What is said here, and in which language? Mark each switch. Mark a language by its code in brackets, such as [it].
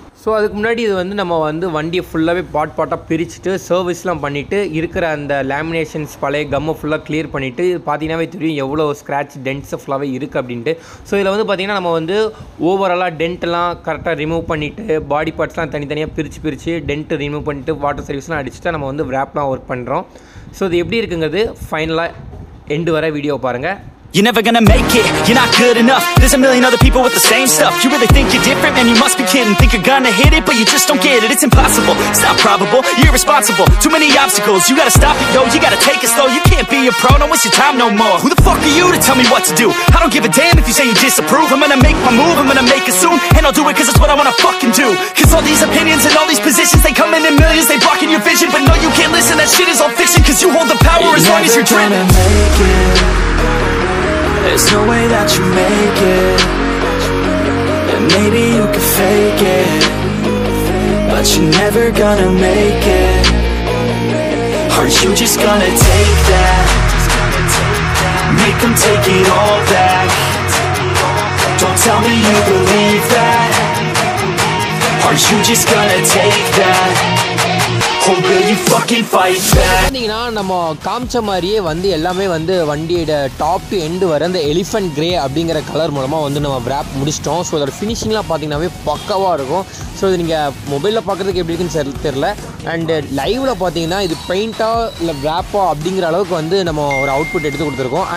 [ta] So அதுக்கு முன்னாடி இது வந்து நம்ம வந்து வண்டியை ஃபுல்லாகவே பாட் பாட்டாக பிரிச்சுட்டு சர்வீஸ்லாம் பண்ணிவிட்டு இருக்கிற அந்த லேமினேஷன்ஸ் பழைய கம்மு ஃபுல்லாக கிளியர் பண்ணிவிட்டு பார்த்தீங்கன்னாவே தெரியும் எவ்வளோ ஸ்க்ராட்ச் டென்ட்ஸு ஃபுல்லாகவே இருக்குது அப்படின்ட்டு. ஸோ இதில் வந்து பார்த்திங்கன்னா நம்ம வந்து ஓவராலாக டென்ட்லாம் கரெக்டாக ரிமூவ் பண்ணிவிட்டு பாடி பார்ட்ஸ்லாம் தனித்தனியாக பிரித்து பிரித்து டென்ட்டு ரிமூவ் பண்ணிவிட்டு வாட்டர் சர்வீஸ்லாம் அடிச்சுட்டு நம்ம வந்து ரேப்லாம் ஒர்க் பண்ணுறோம். ஸோ இது எப்படி இருக்குங்கிறது ஃபைனலாக எண்டு வர வீடியோவை பாருங்கள். [en] You're never gonna make it, you're not good enough. There's a million other people with the same stuff. You really think you're different, man, you must be kidding. Think you're gonna hit it, but you just don't get it. It's impossible, it's not probable, you're irresponsible. Too many obstacles, you gotta stop it, yo. You gotta take it slow, you can't be a pro. No, it's your time no more. Who the fuck are you to tell me what to do? I don't give a damn if you say you disapprove. I'm gonna make my move, I'm gonna make it soon. And I'll do it cause it's what I wanna fucking do. Cause all these opinions and all these positions, they come in millions, they blocking your vision. But no, you can't listen, that shit is all fiction. Cause you hold the power you're as long as you're dreaming. You're never gonna make it. There's no way that you make it. And maybe you can fake it, but you're never gonna make it. Aren't you just gonna take that? Make them take it all back. Don't tell me you believe that. Aren't you just gonna take that? [ta] நம்ம காமிச்ச மாதிரியே வந்து எல்லாமே வந்து வண்டியோட top end வர அந்த elephant grey அப்படிங்கிற கலர் மூலமாக வந்து நம்ம ரேப் முடிச்சிட்டோம். ஸோ அதோட ஃபினிஷிங்லாம் பார்த்தீங்கன்னாவே பக்காவாக இருக்கும். ஸோ இது நீங்கள் மொபைலில் பார்க்குறதுக்கு எப்படி இருக்குன்னு தெரியல, அண்டு லைவில் பார்த்தீங்கன்னா இது பெயிண்டாக இல்லை ரேப்பாக அப்படிங்கிற அளவுக்கு வந்து நம்ம ஒரு அவுட்புட் எடுத்து கொடுத்துருக்கோம்.